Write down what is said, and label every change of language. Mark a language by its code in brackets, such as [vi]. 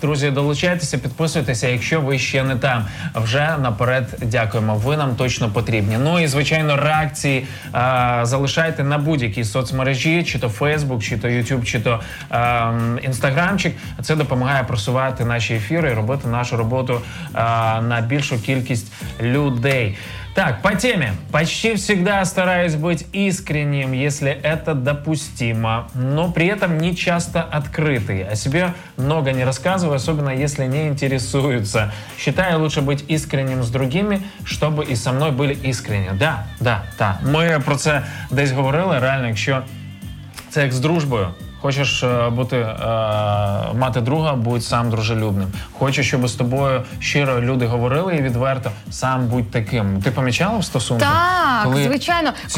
[uk] Друзі, долучайтеся, підписуйтеся, якщо ви ще не там. Вже наперед дякуємо, ви нам точно потрібні. Ну і, звичайно, реакції залишайте на будь-якій соцмережі, чи то Facebook, чи то YouTube, чи то Instagramчик. Це допомагає просувати наші ефіри і робити нашу роботу на більшу кількість людей. Так, по темі. [ru] Почти всегда стараюсь быть искренним, если это допустимо, но при этом не часто открытый. О себе много не рассказываю, особенно если не интересуются. Считаю, лучше быть искренним с другими, чтобы и со мной были искренни. Да, да, да. [uk] Мы про це десь говорили, реально, якщо це як з дружбою. Хочеш бути мати друга, будь сам дружелюбним. Хочеш, щоб з тобою щиро люди говорили і відверто, сам будь таким. Ти помічала в стосунках? Так, коли звичайно.